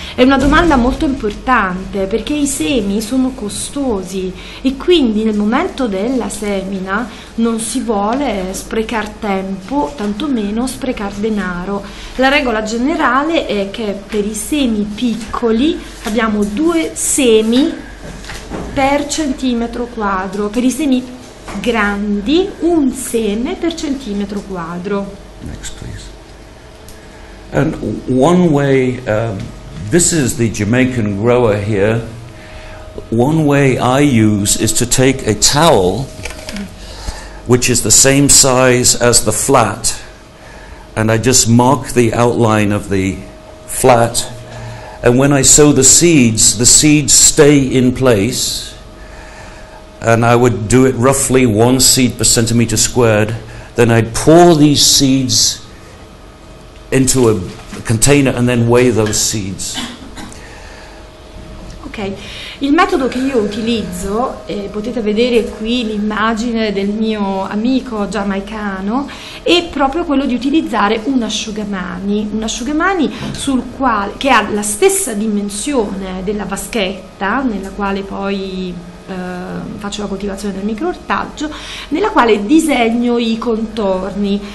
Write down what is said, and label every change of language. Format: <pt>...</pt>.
<it>È una domanda molto importante perché i semi sono costosi e quindi nel momento della semina non si vuole sprecare tempo, tantomeno sprecare denaro. La regola generale è che per i semi piccoli abbiamo due semi per centimetro quadro, per i semi grandi, un seme per centimetro quadro.</it> <en>Next, please. And one way, this is the Jamaican grower here. One way I use is to take a towel, which is the same size as the flat, and I just mark the outline of the flat. And when I sow the seeds stay in place. And I would do it roughly one seed per centimeter squared. Then I'd pour these seeds into a container and then weigh those seeds.</en> <it>Ok, il metodo che io utilizzo, potete vedere qui l'immagine del mio amico giamaicano, è proprio quello di utilizzare un asciugamani sul quale, che ha la stessa dimensione della vaschetta nella quale poi faccio la coltivazione del microortaggio, nella quale disegno i contorni.</it>